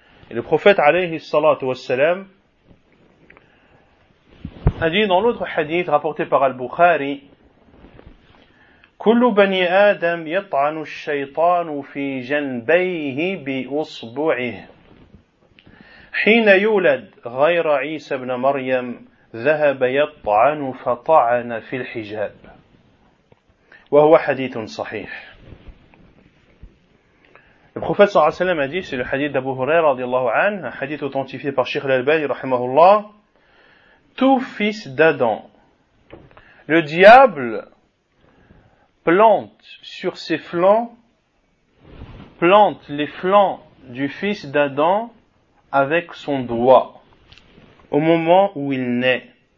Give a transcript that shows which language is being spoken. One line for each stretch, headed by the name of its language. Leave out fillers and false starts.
French: Et le prophète alayhi salatu wassalam a dit dans l'autre hadith rapporté par Al-Bukhari,
Arabic: Kullu bani Adam yat'anu ash-shaytanu fi janbayhi bi usbu'ihi. Hina yulad ghayra Isa ibn Maryam. ذهب يطعن فطعن في الحجاب وهو حديث صحيح.
French: Le prophète
Arabic: صلى الله عليه وسلم
French: a dit, c'est le hadith d'Abu Huraira
Arabic: رضي الله عنه,
French: un hadith authentifié par Cheikh l'Albani
Arabic: رحمه الله,
French: tout fils d'Adam, le diable plante sur ses flancs, plante les flancs du fils d'Adam avec son doigt au moment où il naît.